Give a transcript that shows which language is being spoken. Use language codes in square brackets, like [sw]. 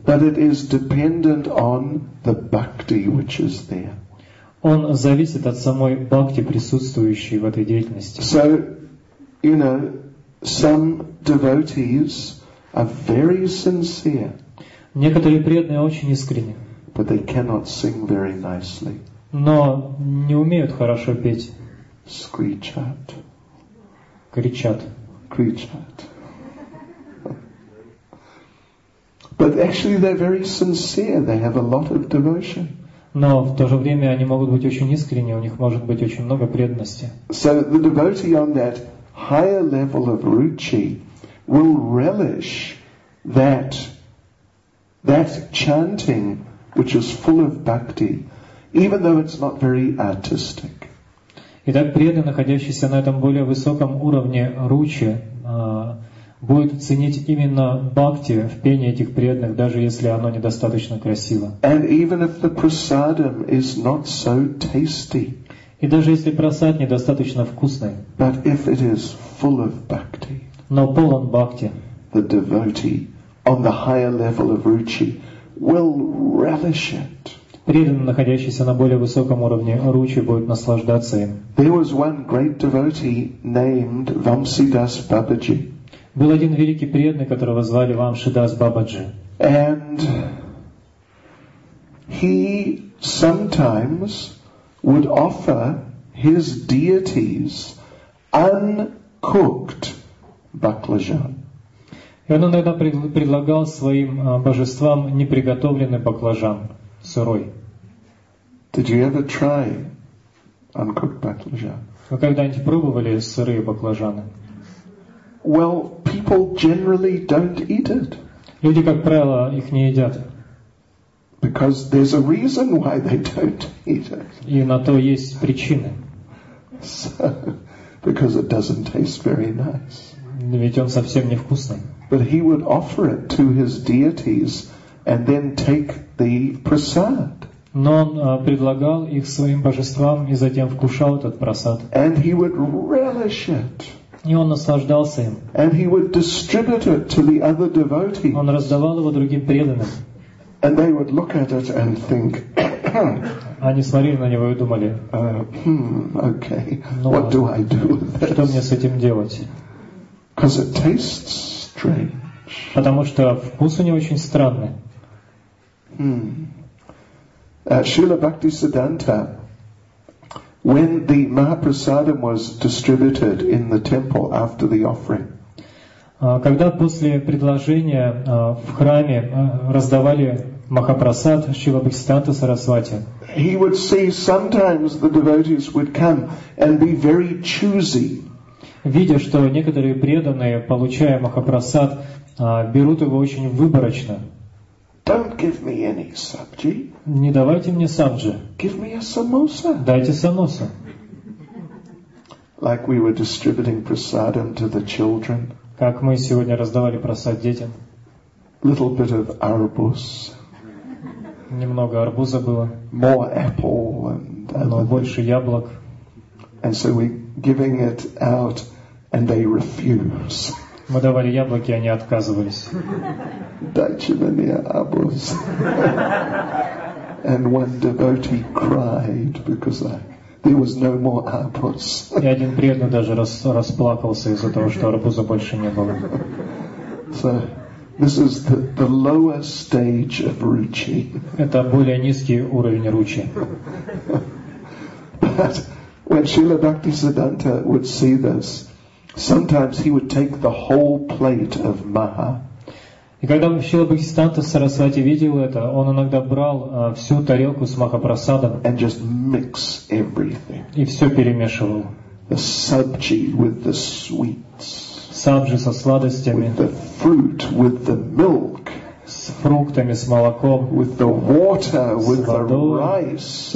[en] But it is dependent on the bhakti which is there. [ru] Он зависит от самой бхакти, присутствующей в этой деятельности. [en] So, you know, some devotees are very sincere. [ru] Некоторые преданные очень искренни. [en] But they cannot sing very nicely. [ru] Но не умеют хорошо петь. Скричат. Кричат. Кричат. [en] But actually they're very sincere. They have a lot of devotion. [ru] Но в то же время они могут быть очень искренни, у них может быть очень много преданности. [en] So the devotee on that higher level of ruchi will relish that chanting which is full of bhakti, even though it's not very artistic. [ru] Итак, преданный, находящийся на этом более высоком уровне ручи, будет ценить именно бхакти в пении этих преданных, даже если оно недостаточно красиво. [en] And even if the prasadam is not so tasty. [ru] И даже если прасад недостаточно вкусный. [en] But if it is full of bhakti. [ru] Но полон бхакти. [en] The devotee on the higher level of ruchi will relish it. [ru] Преданный, находящийся на более высоком уровне ручи, будет наслаждаться им. [en] There was one great devotee named Vamsidas Babaji. [ru] Был один великий преданный, которого звали Вамшидас Бабаджи. [en] And he sometimes would offer his deities uncooked baklajan. [ru] И он иногда предлагал своим божествам неприготовленный баклажан, сырой. [en] Did you ever try uncooked baklajan? [ru] Вы когда-нибудь пробовали сырые баклажаны? [en] Well, people generally don't eat it. [ru] Люди, как правило, их не едят. [en] Because there's a reason why they don't eat it. [ru] И на то есть причины. [en] So, because it doesn't taste very nice. [ru] Ведь он совсем не вкусный. [en] But he would offer it to his deities and then take the prasad. [ru] Но он предлагал их своим божествам и затем вкушал этот прасад. [en] And he would relish it. [ru] И он наслаждался им. [en] And he would distribute it to the other devotees. [ru] Он раздавал его другим преданным. [en] And they would look at it and think, [ru] они смотрели на него и думали, [en] okay, what do I do with this? [ru] Что мне с этим делать? [en] Because it tastes strange. [ru] Потому что вкус у него очень странный. [en] Srila Bhaktisiddhanta, when the Mahaprasadam was distributed in the temple after the offering, [ru] когда после предложения в храме раздавали Махапрасад Шрила Бхактисиддханта Сарасвати, [en] he would see sometimes the devotees would come and be very choosy. [ru] Видя, что некоторые преданные, получая Махапрасад, берут его очень выборочно. [en] Don't give me any sabji. [ru] Не давайте мне сабджи. [en] Give me a samosa. [ru] Дайте самоса. [en] Like we were distributing prasadam to the children. [ru] Как мы сегодня раздавали просад детям. [en] Little bit of arbuz. [ru] Немного арбуза было. [en] More apple and other things. [ru] Но больше яблок. [en] And so we giving it out and they refuse. [ru] Мы давали яблоки, они отказывались. Дайте мне арбуз. [en] And one devotee cried because there was no more arbuz. [ru] И один преданный даже расплакался из-за того, что арбуза больше не было. [en] So, this is the lower stage of ruchi. [ru] Это более низкий уровень ручи. [en] But when Srila Bhaktisiddhanta would see this, sometimes he would take the whole plate of maha. [ru] И когда Шрила Бхактисиддханта Сарасвати видел это, он иногда брал всю тарелку с махапрасадом [en] and just mix everything. [ru] И все перемешивал. [en] The sabji with the sweets. [ru] Сабджи со сладостями. [en] With the fruit, with the milk. [ru] С фруктами, с молоком. [en] With the water, with the rice.